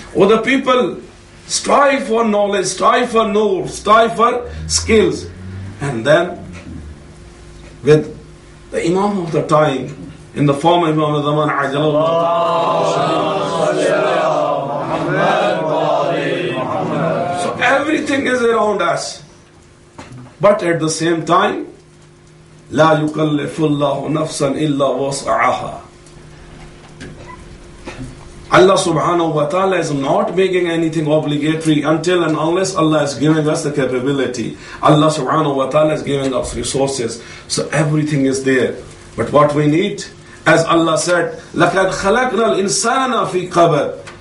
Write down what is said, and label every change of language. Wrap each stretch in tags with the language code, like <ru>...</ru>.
<en>Oh, the people strive for knowledge, strive for nur, strive for skills. And then with the Imam of the time, in the form of Imam Zaman</en> <ar>عَجَلَ اللَّهُ.</ar> <en>So everything is around us. But at the same time,</en> <ar>لَا يُكَلِّفُ اللَّهُ نَفْسًا إِلَّا وَسْعَهَا.</ar> <en>Allah subhanahu wa ta'ala is not making anything obligatory until and unless Allah has given us the capability. Allah subhanahu wa ta'ala has given us resources. So everything is there. But what we need, as Allah said,</en> <ar>لَقَدْ خَلَقْنَا الْإِنسَانَ فِي قَبَدْ.</ar>